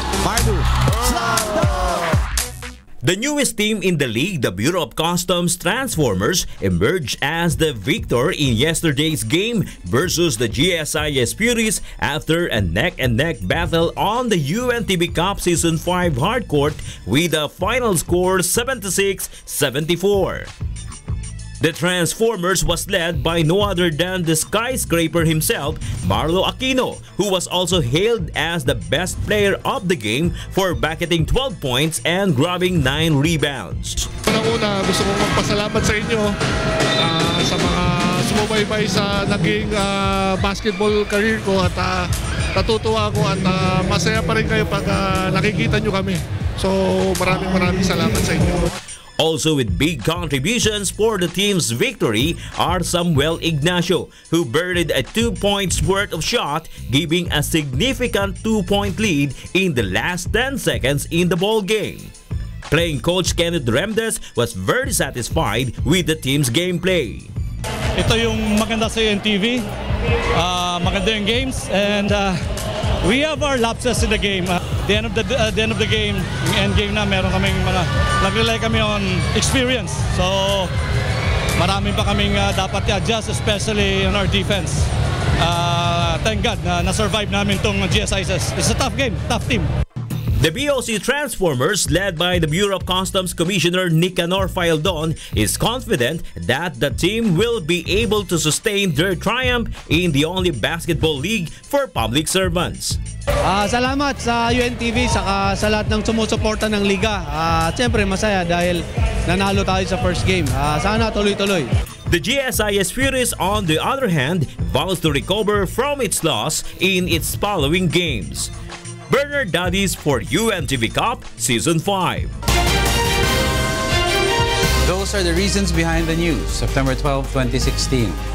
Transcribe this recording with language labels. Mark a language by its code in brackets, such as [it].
[en] The newest team in the league, the Bureau of Customs Transformers, emerged as the victor in yesterday's game versus the GSI Espiritus after a neck-and-neck battle on the UNTV Cup Season 5 hardcourt with a final score 76-74. The Transformers was led by no other than the skyscraper himself, Marlo Aquino, who was also hailed as the best player of the game for bucketing 12 points and grabbing 9 rebounds. [tl] Una-una, gusto kong magpasalamat sa inyo sa mga sumubaybay sa naging basketball career ko at natutuwa ko at masaya pa rin kayo pag nakikita nyo kami. So maraming salamat sa inyo. [en] Also with big contributions for the team's victory are Samuel Ignacio, who buried a 2 points worth of shot, giving a significant 2-point lead in the last 10 seconds in the ball game. Playing coach Kenneth Remdes was very satisfied with the team's gameplay. [tl] Ito yung maganda sa UNTV, maganda yung games, [en] and we have our lapses in the game. The end of the game, [tl] end game na, meron kaming mga nag-rely kami on experience. So, marami pa kaming dapat i-adjust, [en] especially on our defense. thank God [tl] na na-survive namin itong [en] GSISS. It's a tough game, tough team. The BOC Transformers, led by the Bureau of Customs Commissioner Nicanor Faildon, is confident that the team will be able to sustain their triumph in the only basketball league for public servants. [tl] Salamat sa UNTV, saka sa lahat ng sumusuporta ng liga. Siyempre masaya dahil nanalo tayo sa [en] first game. [tl] Sana tuloy-tuloy. [en] The GSIS Furies, on the other hand, vows to recover from its loss in its following games. Burner Daddies for UNTV Cup Season 5. Those are the reasons behind the news. September 12, 2016.